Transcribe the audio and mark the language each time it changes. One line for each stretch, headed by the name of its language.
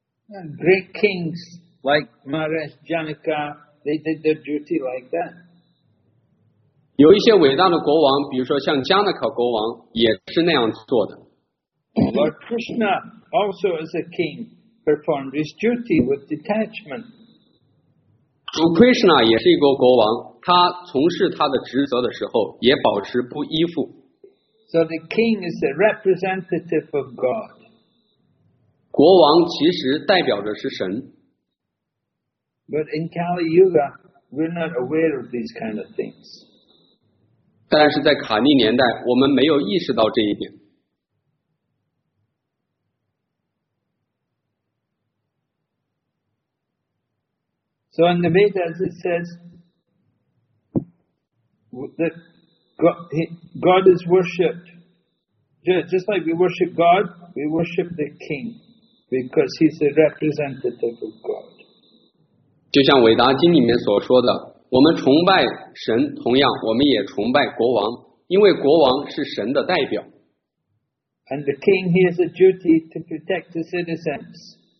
English: And great kings like Maharaj Janaka, they did their duty like that.
Chinese: 有一些伟大的国王，比如说像加那卡国王，也是那样做的。
English: Lord Krishna also as a king performed his duty with detachment.
Chinese: Lord Krishna 也是一个国王，他从事他的职责的时候也保持不依附。
English: So the king is a representative of God.
Chinese: 国王其实代表的是神。
English: But in Kali Yuga, we're not aware of these kind of things.
Chinese: 但是在卡利年代，我们没有意识到这一点。
English: So in the Vedas it says that God is worshipped. Just like we worship God, we worship the king because he's a representative of God.
Chinese: 就像伟达经里面所说的，我们崇拜神，同样我们也崇拜国王，因为国王是神的代表。
English: And the king, he has a duty to protect the citizens.